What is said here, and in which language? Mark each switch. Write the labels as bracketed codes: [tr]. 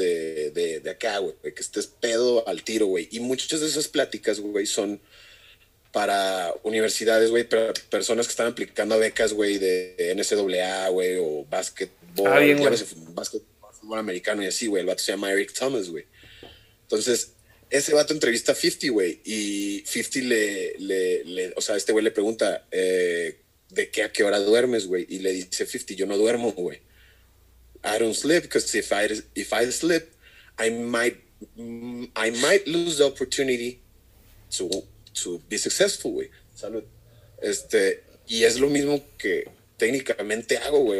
[es] De acá, güey, que estés pedo al tiro, güey, y muchas de esas pláticas, güey, son para universidades, güey, para personas que están aplicando a becas, güey, de NCAA, güey, o básquetbol, fútbol americano y así, güey, el vato se llama Eric Thomas, güey. Entonces, ese vato entrevista a 50, güey, y 50 le o sea, este güey le pregunta, ¿de qué a qué hora duermes, güey? Y le dice 50, yo no duermo, güey. [en] I don't sleep, because if I sleep, I might lose the opportunity to be successful, güey. [es] Salud. Y es lo mismo que técnicamente hago, güey.